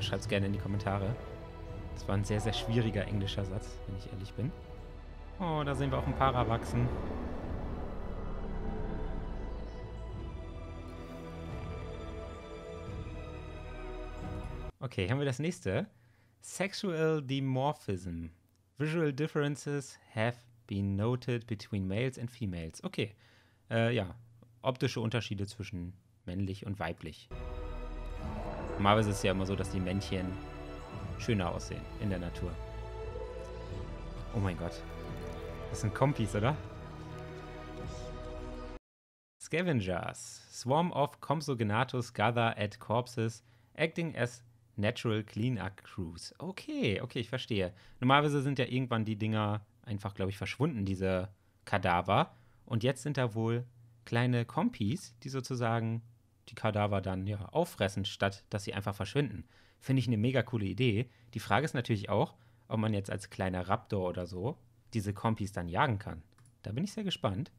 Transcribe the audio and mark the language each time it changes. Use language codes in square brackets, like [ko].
[de] Schreibt es gerne in die Kommentare. Das war ein sehr, sehr schwieriger englischer Satz, wenn ich ehrlich bin. Oh, da sehen wir auch ein paar Erwachsen. Okay, haben wir das nächste. [en] Sexual Dimorphism. Visual differences have been noted between males and females. [de] Okay, ja, optische Unterschiede zwischen männlich und weiblich. Normalerweise ist es ja immer so, dass die Männchen schöner aussehen in der Natur. Oh mein Gott, das sind Kompis, oder? [en] Scavengers. Swarm of Compsognathus gather at corpses, acting as natural clean-up crews. [de] Okay, okay, ich verstehe. Normalerweise sind ja irgendwann die Dinger einfach, glaube ich, verschwunden, diese Kadaver. Und jetzt sind da wohl kleine Kompis, die sozusagen die Kadaver dann ja auffressen, statt dass sie einfach verschwinden. Finde ich eine mega coole Idee. Die Frage ist natürlich auch, ob man jetzt als kleiner Raptor oder so diese Kompis dann jagen kann. Da bin ich sehr gespannt.